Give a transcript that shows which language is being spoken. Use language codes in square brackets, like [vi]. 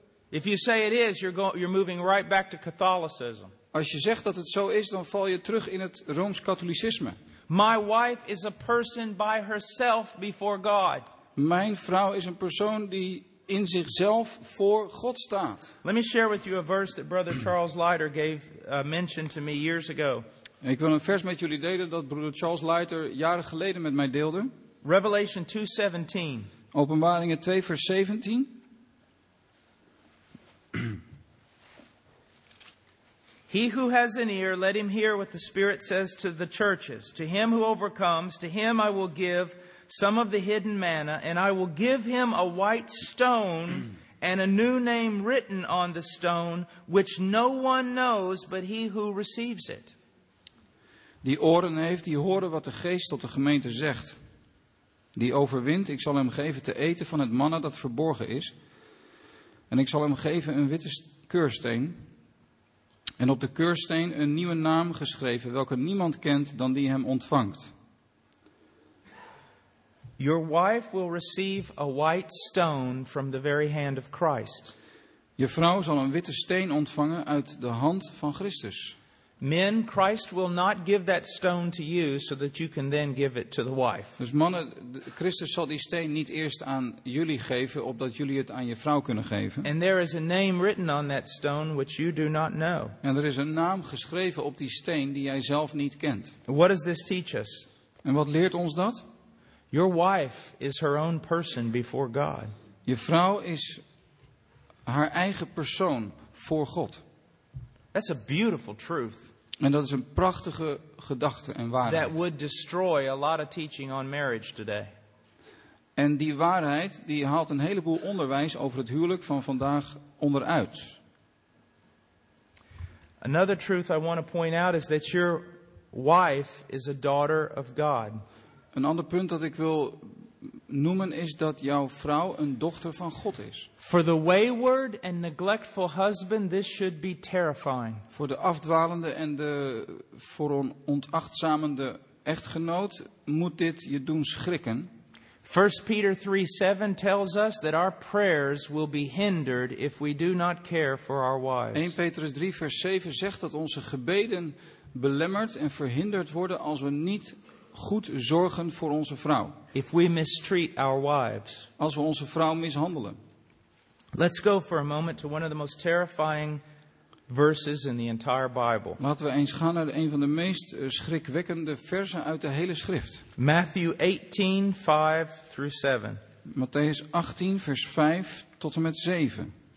[en] If you say it is, you're moving right back to Catholicism. [nl] Als je zegt dat het zo is, dan val je terug in het Rooms-Katholicisme. [en] My wife is a person by herself before God. [nl] Mijn vrouw is een persoon die in zichzelf voor God staat. [en] Let me share with you a verse that Brother Charles Leiter gave mention to me years ago. [nl] Ik wil een vers met jullie delen dat Broeder Charles Leiter jaren geleden met mij deelde. [en] Revelation 2:17. [nl] Openbaringen 2 vers 17. [en] He who has an ear, let him hear what the Spirit says to the churches. To him who overcomes, to him I will give some of the hidden manna, and I will give him a white stone and a new name written on the stone, which no one knows but he who receives it. [nl] Die oren heeft, die horen wat de Geest tot de gemeente zegt. Die overwint, ik zal hem geven te eten van het manna dat verborgen is. En ik zal hem geven een witte keursteen. En op de keursteen een nieuwe naam geschreven, welke niemand kent dan die hem ontvangt. [en] Your wife will receive a white stone from the very hand of Christ. [nl] Je vrouw zal een witte steen ontvangen uit de hand van Christus. [en] Men, Christ will not give that stone to you so that you can then give it to the wife. [nl] Dus mannen, Christus zal die steen niet eerst aan jullie geven, opdat jullie het aan je vrouw kunnen geven. [en] And there is a name written on that stone which you do not know. [nl] En er is een naam geschreven op die steen die jij zelf niet kent. [en] What does this teach us? [nl] En wat leert ons dat? [en] Your wife is her own person before God. [nl] Je vrouw is haar eigen persoon voor God. [en] That's a beautiful truth. [nl] En dat is een prachtige gedachte en waarheid. [en] That would destroy a lot of teaching on marriage today. [nl] En die waarheid die haalt een heleboel onderwijs over het huwelijk van vandaag onderuit. [en] Another truth I want to point out is that your wife is a daughter of God. [nl] Een ander punt dat ik wil noemen is dat jouw vrouw een dochter van God is. [en] For the wayward and neglectful husband, this should be terrifying. [nl] Voor de afdwalende en de voor een ontachtzamende echtgenoot moet dit je doen schrikken. [en] 1 Peter 3:7 tells us that our prayers will be hindered if we do not care for our wives. [nl] 1 Petrus 3 vers 7 zegt dat onze gebeden belemmerd en verhinderd worden als we niet goed zorgen voor onze vrouw. [en] If we mistreat our wives. [nl] Als we onze vrouw mishandelen. [en] Let's go for a moment to one of the most terrifying verses in the entire Bible. [nl] Laten we eens gaan naar een van de meest schrikwekkende versen uit de hele schrift. [en] Matthew 18, 5 through 7. [nl] Matthäus 18, vers 5 tot en met 7.